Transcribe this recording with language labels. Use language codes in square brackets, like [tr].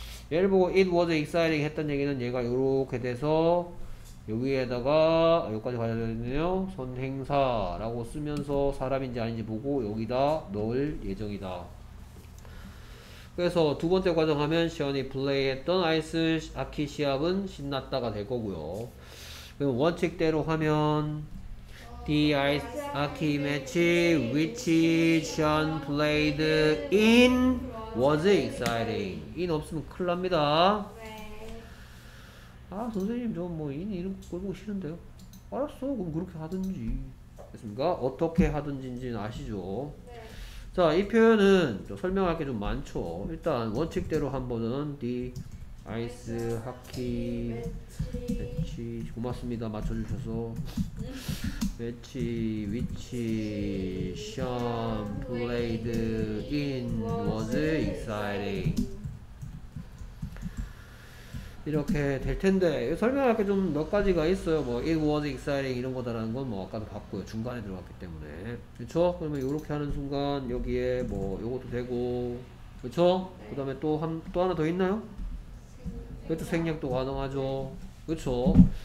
[ko] 얘를 보고 [en] it was exciting [ko] 했던 얘기는 얘가 요렇게 돼서 여기에다가 여기까지 가야 되네요. 선행사라고 쓰면서 사람인지 아닌지 보고 여기다 넣을 예정이다. 그래서 두 번째 과정 하면 시언이 플레이했던 아이스 하키 시합은 신났다가 될 거고요. 그럼 원칙대로 하면 [en] The ice hockey match which Sean played in was exciting. [ko] in 없으면 큰일 납니다. 아, 선생님 저뭐 in 이런 거 걸고 싫은데요. 알았어, 그럼 그렇게 하든지. 됐습니까? 어떻게 하든지는 아시죠? 자, 이 표현은 저 설명할 게좀 많죠. 일단 원칙대로 한 번은 [en] the ice hockey match [ko] 고맙습니다. 맞춰주셔서 [en] match which Sean played in was exciting. [ko] 이렇게 될 텐데 설명할 게좀몇 가지가 있어요. 뭐 [en] it was exciting [ko] 이런 거다라는 건뭐 아까도 봤고요. 중간에 들어갔기 때문에 그렇죠? 그러면 이렇게 하는 순간 여기에 뭐 요것도 되고 그렇죠? 그 다음에 또한또 하나 더 있나요? 그것도 생략도 가능하죠. 그렇죠?